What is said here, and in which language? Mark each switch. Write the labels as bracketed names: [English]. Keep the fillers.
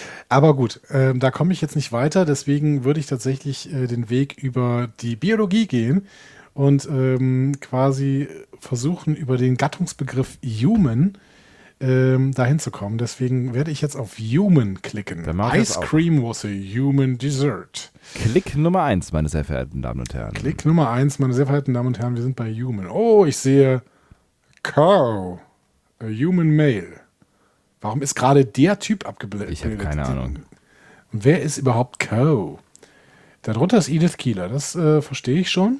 [German] Aber gut, ähm, da komme ich jetzt nicht weiter, deswegen würde ich tatsächlich äh, den Weg über die Biologie gehen und ähm, quasi versuchen, über den Gattungsbegriff Human ähm, dahin zu kommen. Deswegen werde ich jetzt auf Human klicken. Dann mach ich das [English] Ice [German] auch. [English] Cream was a human dessert. [German] Klick Nummer eins, meine sehr verehrten Damen und Herren. Klick Nummer eins, meine sehr verehrten Damen und Herren, wir sind bei Human. Oh, ich sehe [English] Cow, a human male. [German] Warum ist gerade der Typ abgebildet? Ich habe keine Ahnung. Und wer ist überhaupt Cow? Darunter ist Edith Keeler, das äh, verstehe ich schon.